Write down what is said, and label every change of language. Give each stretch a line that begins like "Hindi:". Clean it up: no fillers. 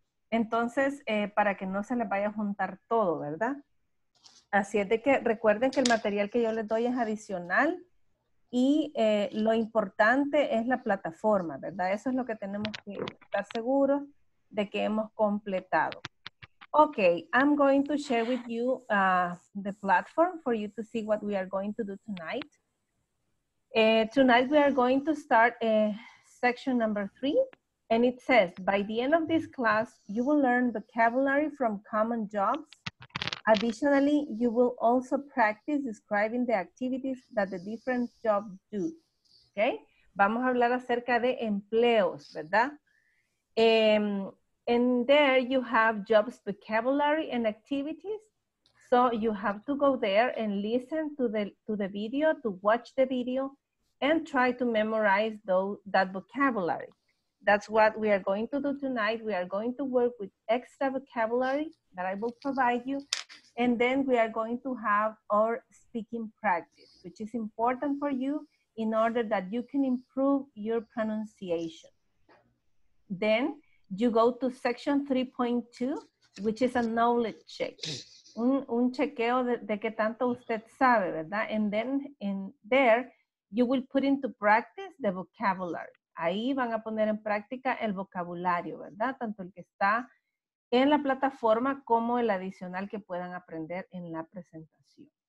Spanish: Entonces, para que no se les vaya a juntar todo, ¿verdad? Así es de que recuerden que el material que yo les doy es adicional y lo importante es la plataforma, ¿verdad? Eso es lo que tenemos que estar seguros de que hemos completado.
English: Okay, I'm going to share with you the platform for you to see what we are going to do tonight. Tonight we are going to start section number three, and it says, by the end of this class, you will learn vocabulary from common jobs. Additionally, you will also practice describing the activities that the different jobs do.
Spanish: Okay, vamos a hablar acerca de empleos, ¿verdad?
English: And there you have jobs vocabulary and activities. So you have to go there and listen to the video, to watch the video, and try to memorize that vocabulary. That's what we are going to do tonight. We are going to work with extra vocabulary that I will provide you. And then we are going to have our speaking practice, which is important for you in order that you can improve your pronunciation. Then you go to section 3.2, which is a knowledge check.
Spanish: Un chequeo de qué tanto usted sabe, ¿verdad?
English: And then in there, you will put into practice the vocabulary.
Spanish: Ahí van a poner en práctica el vocabulario, ¿verdad? Tanto el que está en la plataforma como el adicional que puedan aprender en la presentación.